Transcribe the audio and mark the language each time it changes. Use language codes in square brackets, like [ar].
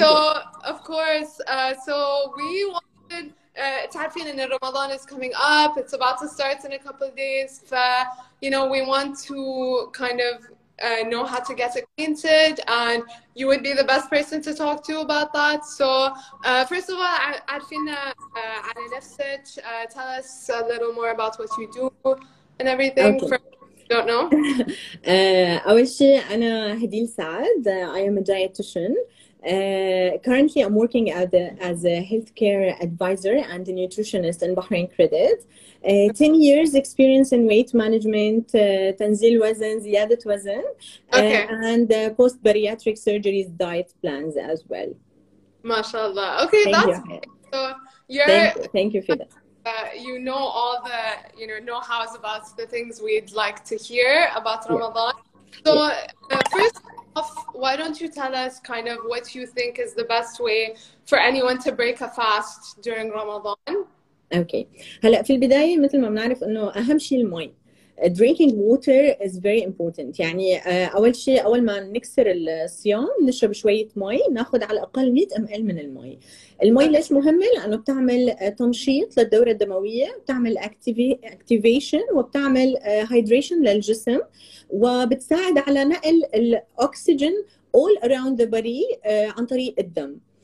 [en] So of course, so we wanted [ar] تعرفين ان [en] رمضان is coming up. It's about to start in a couple of days. We want to kind of know how to get acquainted, and you would be the best person to talk to about that. So first of all, [ar] عرفينا على نفسك. [en] Tell us a little more about what you do and everything Okay. for don't know. [ar] أول شيء أنا هديل سعد. [en] I am a dietitian. Currently, I'm working as a healthcare advisor and a nutritionist in Bahrain Credit. 10 years experience in weight management, [ar] تنزيل وزن, زيادة وزن, [en] Okay. and post bariatric surgeries, diet plans as well. MashaAllah. Okay, Thank that's you. great. So you're Thank you for that. you know all the know-hows about the things we'd like to hear about Ramadan. So first off, why don't you tell us kind of what you think is the best way for anyone to break a fast during Ramadan? [ar] اوكي هلا في البدايه مثل ما بنعرف انه اهم شيء المي. [en] Drinking water is very important. [ar] يعني اول شيء اول ما نكسر الصيام نشرب شويه مي، ناخذ على الاقل 100 ml من المي. المي ليش مهمه؟ لانه بتعمل تنشيط للدوره الدمويه، بتعمل اكتيفيشن وبتعمل هايدريشن للجسم، وبتساعد على نقل الاكسجين [en] all around the body [ar] عن طريق الدم.